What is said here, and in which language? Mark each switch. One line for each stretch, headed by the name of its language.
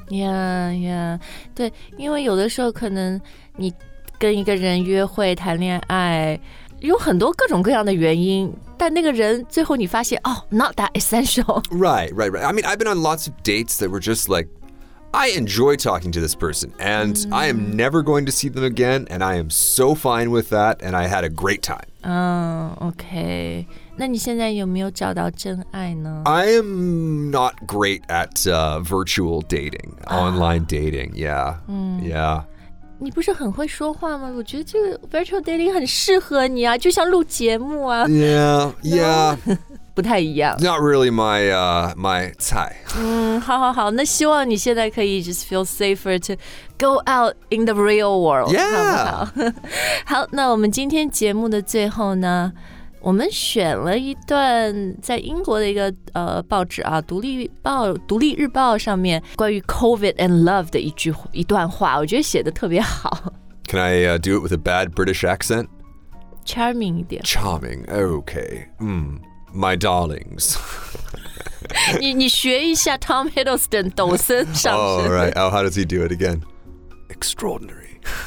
English: Yeah, yeah.
Chinese: 对，因为有的时候可能你跟一个人约会谈恋爱，有很多各种各样的原因，但那个人最后你发现，哦、
English: oh, not that essential. Right, right, right. I mean, I've been on lots of dates that were just like, I enjoy talking to this person, and、mm. I am never going to see them again, and I am so fine with that, and I had a great time. OK.
Chinese: 那你现在有没有找到真爱呢?
English: I am not great at virtual dating, online dating, yeah.、嗯、 yeah.
Chinese: 你不是很会说话吗?我觉得这个 virtual dating 很适合你啊,就像录节目啊。
English: Yeah, yeah.
Chinese: 不太一样。
English: Not really my, my 菜。
Chinese: 嗯,好好好,那希望你现在可以
English: just feel safer to... Go out in the real world, yeah.
Chinese: 好, 好，那我们今天节目的最后呢，我们选了一段在英国的一个报纸啊，独立日报上面关于 COVID and love 的一段话，我觉得写的特别好。
English: Can I、do it with a bad British accent?
Chinese: Charming 一点。
English: Charming, okay. Hmm, my darlings.
Chinese: 你学一下 Tom Hiddleston 抖森上身。
English: Oh, right. Oh, how does he do it again? Extraordinary.